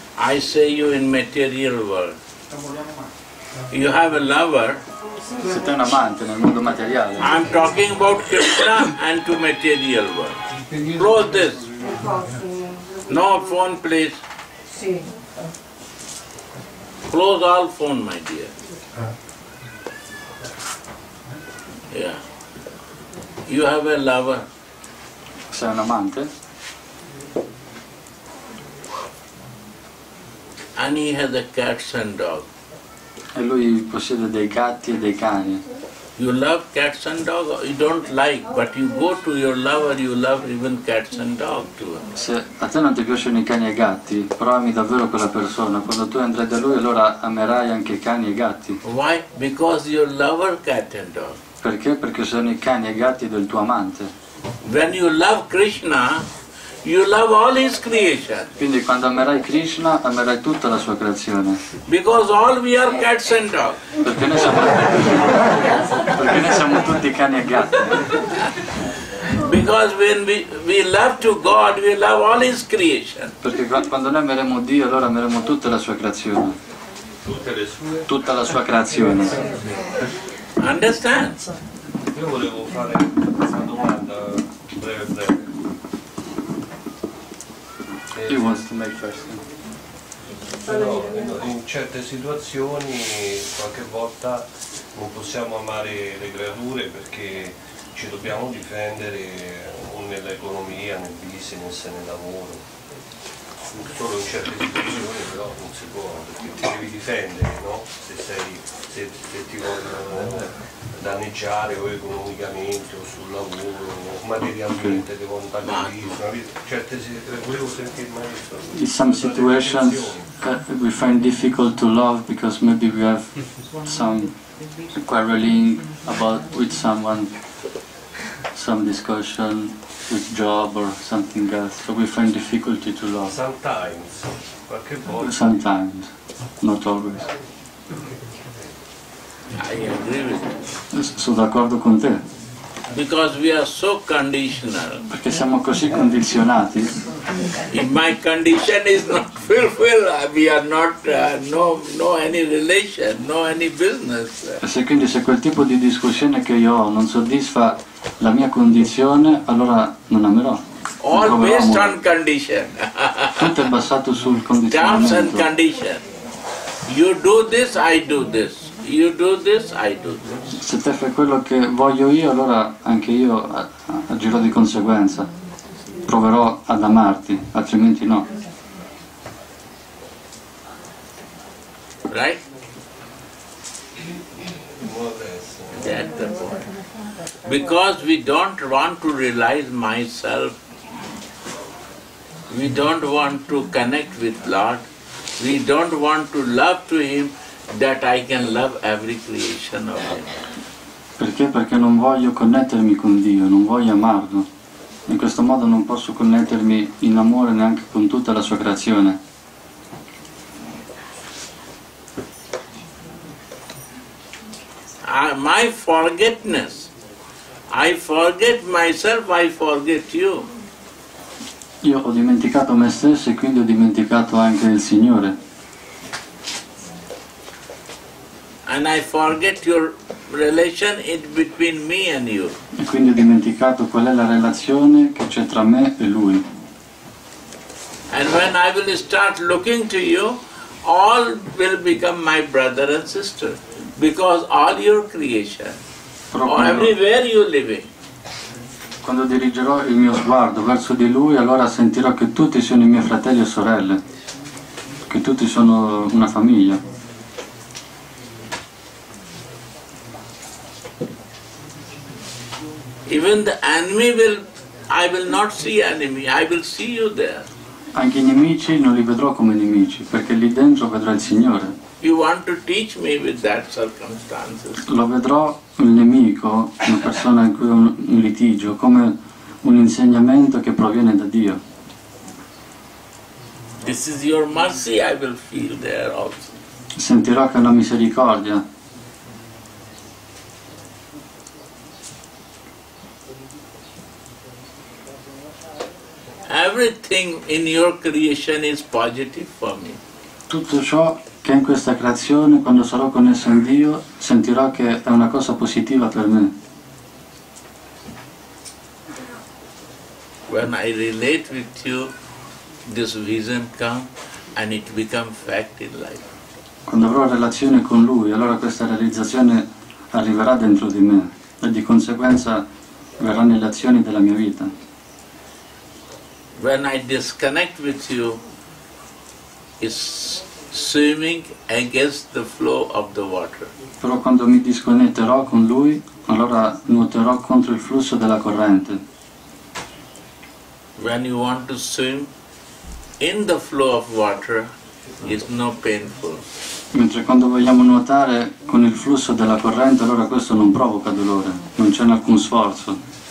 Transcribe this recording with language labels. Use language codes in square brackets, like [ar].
[en] I say you in material world. You have a lover. [it] Se tu hai un amante nel mondo materiale. [en] I'm talking about Krishna and to material world. Close this. No phone, please. Close all phone, my dear. Yeah. You have a lover. [it] Sei un amante. [en] And he has a cats and dog. [it] E lui possiede dei gatti e dei cani. [en] You love cats and dogs, you don't like, but you go to your lover, you love even cats and dogs too. [it] Se a te non ti piacciono i cani e i gatti, però ami davvero quella persona. Quando tu andrai da lui, allora amerai anche i cani e i gatti. [en] Why? Because your lover cat and dog. [it] Perché? Perché sono i cani e i gatti del tuo amante. [en] When you love Krishna, you love all his creation. [it] Quindi quando amerai Krishna, amerai tutta la sua creazione. [en] Because all we are cats and dogs. [it] Perché noi siamo, perché noi siamo tutti cani e gatti. [en] Because when we love to God, we love all his creation. [it] Perché quando noi ameremo Dio, allora ameremo tutta la sua creazione. tutta la sua creazione. [en] Understand? [it] Io volevo fare questa domanda breve. [en] He wants to make question. [it] Però in certe situazioni qualche volta non possiamo amare le creature perché ci dobbiamo difendere o nell'economia, nel business, nel lavoro. Solo in certe situazioni però non si può, perché ti devi difendere, no? Se ti vogliono danneggiare o economicamente o sul lavoro, o materialmente devo andare lì, certe volevo sentire mai [en] some situations. We find difficult to love because maybe we have some quarreling about with someone, some discussion with job or something else. So we find difficulty to love. Sometimes, [it] qualche volta. [en] Sometimes, not always. I agree with you. [it] Sono d'accordo con te. [en] Because we are so conditional. [it] Perché siamo così condizionati. [en] If my condition is not fulfilled, we are not no any relation, no any business. [it] Se quindi se quel tipo di discussione che io ho non soddisfa la mia condizione, allora non amerò. [en] All based on condition. [it] Tutto è basato sul condizionamento. [en] Terms and condition. You do this, I do this. You do this, I do this. [it] Se te fai quello che voglio io, allora anche io agirò di conseguenza. Proverò ad amarti, altrimenti no. [en] Right? That's the point. Because we don't want to realize myself, we don't want to connect with Lord, we don't want to love to Him, that I can love every creation of Him. [it] Perché? Perché non voglio connettermi con Dio, non voglio amarlo. In questo modo non posso connettermi in amore neanche con tutta la sua creazione. [en] My forgetness. I forget myself, I forget you. [it] Io ho dimenticato me stesso e quindi ho dimenticato anche il Signore. [en] And I forget your relation in between me and you. [it] E quindi ho dimenticato qual è la relazione che c'è tra me e lui. [en] And when I will start looking to you, all will become my brother and sister, because all your creation, or everywhere you live. [it] Quando dirigerò il mio sguardo verso di lui, allora sentirò che tutti sono i miei fratelli e sorelle, che tutti sono una famiglia. [en] Even the enemy will, I will not see enemy, I will see you there. [it] Anche i nemici non li vedrò come nemici, perché lì dentro vedrò il Signore. [en] You want to teach me with that circumstances. [it] Lo vedrò il nemico, una persona in cui ho un litigio, come un insegnamento che proviene da Dio. [en] This is your mercy, I will feel there also. [it] Sentirò che è una misericordia. [en] Everything in your creation is positive for me. [it] Tutto ciò che è in questa creazione, quando sarò connesso a Dio, sentirò che è una cosa positiva per me. [en] When I relate with you, this vision comes and it becomes fact in life. [it] Quando avrò relazione con Lui, allora questa realizzazione arriverà dentro di me e di conseguenza verrà nelle azioni della mia vita. [en] When I disconnect with you, it's swimming against the flow of the water. [it] Però quando mi disconnetterò con lui, allora nuoterò contro il flusso della corrente. [en] When you want to swim in the flow of water, it's no painful. [it] Mentre quando vogliamo nuotare con il flusso della corrente, allora questo non provoca dolore, non c'è alcun sforzo.